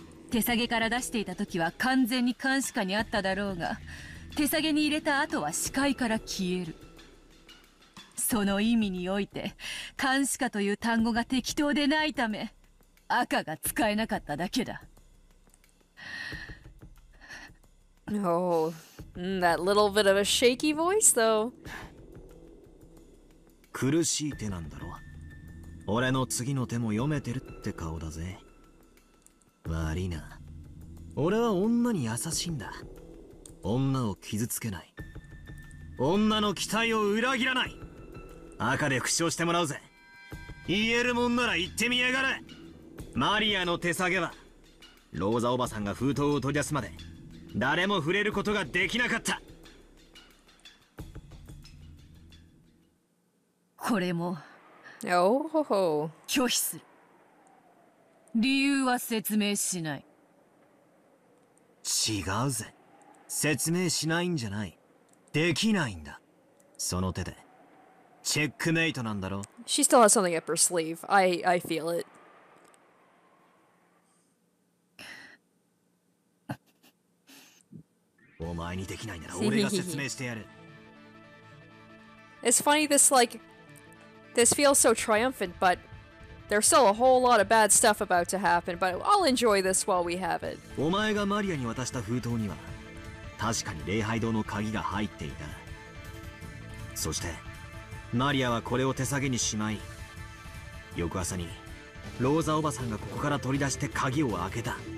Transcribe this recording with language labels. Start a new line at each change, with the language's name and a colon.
Japanese: 手下げから出していた時は完全に監視下にあっただろうが、手下げに入れた後は視界から消える。その意味において監視下という単語が適当でないため、赤が使えなかっただけだ。
English: Oh, that little bit of a shaky voice, though.
Japanese: 苦しい手なんだろ。俺の次の手も読めてるって顔だぜ。悪いな。俺は女に優しいんだ。女を傷つけない。女の期待を裏切らない。赤で復唱してもらうぜ。言えるもんなら言ってみやがれ。マリアの手下げは、ローザおばさんが封筒を取り出すまで誰も触れることができなかった。これも、 oh, ho, ho. 拒否する。理由は説明しない。違うぜ。説明しないんじゃない、できないんだ。その手でチェックメイトなんだろ。
English: She still has something up her sleeve. I feel it.
Japanese: お前にできないなら俺が説明してやる。
English: It's funny, this like this feels so triumphant, but there's still a whole lot of bad stuff about to happen, but I'll enjoy this while we have it.
Japanese: お前がマリアに渡した封筒には確かに礼拝堂の鍵が入っていた。そしてマリアはこれを手下げにしまい、翌朝にローザおばさんがここから取り出して鍵を開けた。